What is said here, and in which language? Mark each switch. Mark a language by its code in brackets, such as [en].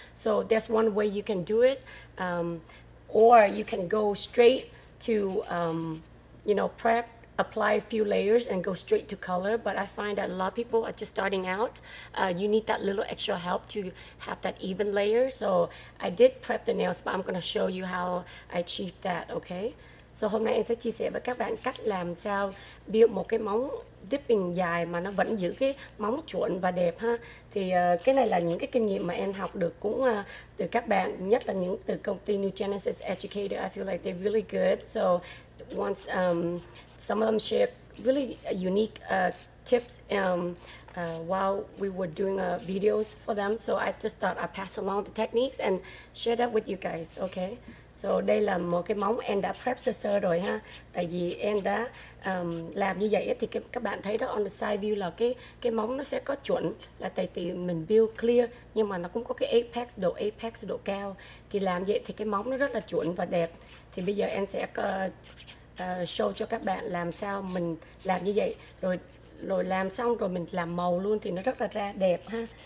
[en] So that's one way you can do it. Or you can go straight to, you know, prep, apply a few layers and go straight to color. But I find that a lot of people are just starting out. You need that little extra help to have that even layer. So I did prep the nails, but I'm gonna show you how I achieve that, okay? [vi] So hôm nay em sẽ chia sẻ với các bạn cách làm sao build một cái móng dipping dài mà nó vẫn giữ cái móng chuẩn và đẹp ha. Thì cái này là những cái kinh nghiệm mà em học được cũng từ các bạn, nhất là những từ công ty New Genesis Educator. [en] I feel like they're really good. So once some of them share really unique tips while we were doing videos for them. So I just thought I'd pass along the techniques and share that with you guys, okay? [vi] So đây là một cái móng em đã prep sơ rồi ha. Tại vì em đã làm như vậy thì các bạn thấy đó, [en] on the side view [vi] là cái móng nó sẽ có chuẩn. Là tại vì mình build clear nhưng mà nó cũng có cái apex, độ cao. Thì làm vậy thì cái móng nó rất là chuẩn và đẹp. Thì bây giờ em sẽ có show cho các bạn làm sao mình làm như vậy, rồi làm xong rồi mình làm màu luôn thì nó rất là ra đẹp ha.